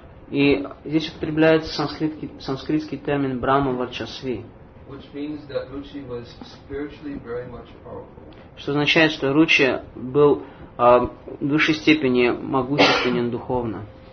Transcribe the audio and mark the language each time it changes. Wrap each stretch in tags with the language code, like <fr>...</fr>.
<ru>И здесь употребляется санскритский термин Брахма Варчасви.</ru> <en>which means that Ruchi was spiritually very much powerful.</en> <ru>Что означает, что Ручи был в высшей степени могущественен духовно.</ru>